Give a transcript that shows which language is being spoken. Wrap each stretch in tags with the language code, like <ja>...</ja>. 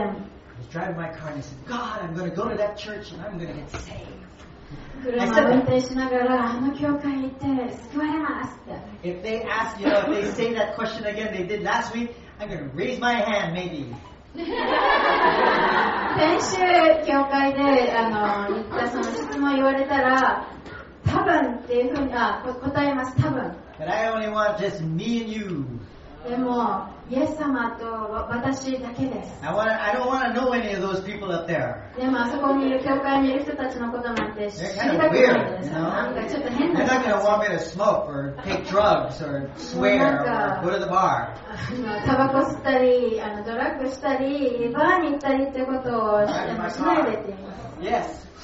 <en>I was driving my car and I said, God, I'm going to go to that church and I'm going to get saved.</en> <ja>車を運転しながらあの教会に行って救われますって。</ja> <en>If they ask, you know, if they say that question again, they did last week,I'm going to raise my hand, maybe.</en> <ja>先週教会で言ったその質問を言われたら、多分っていうふうに答えます、多分。</ja> <en>But I only want just me and you.</en> <ja>でもイエス様と私だけです。</ja> <en>I don't want to know any of those people up there.</en> <ja>でもあそこにいる教会にいる人たちのことなんて知りたくないです。</ja> <en>They're not going to want me to smoke or take drugs or swear or go to the bar.</en> <ja>タバコ吸ったりドラッグしたりバーに行ったりってことをしないでって言います。</ja>